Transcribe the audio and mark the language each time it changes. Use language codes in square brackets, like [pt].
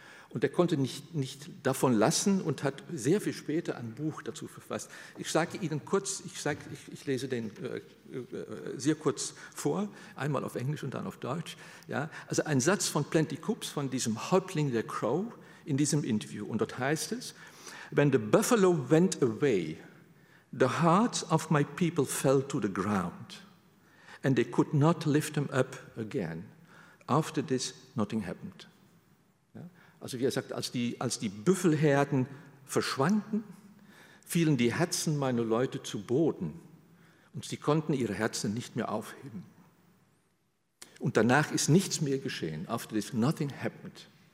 [de] Und er konnte nicht davon lassen und hat sehr viel später ein Buch dazu verfasst. Ich sage Ihnen kurz, ich lese den sehr kurz vor, einmal auf Englisch und dann auf Deutsch. Ja, also ein Satz von Plenty Cups, von diesem Häuptling der Crow, in diesem Interview. Und dort heißt es: [en] When the buffalo went away, the hearts of my people fell to the ground and they could not lift them up again. After this, nothing happened. [de] Also wie er sagt, als die Büffelherden verschwanden, fielen die Herzen meiner Leute zu Boden und sie konnten ihre Herzen nicht mehr aufheben. Und danach ist nichts mehr geschehen, [en] after this nothing happened.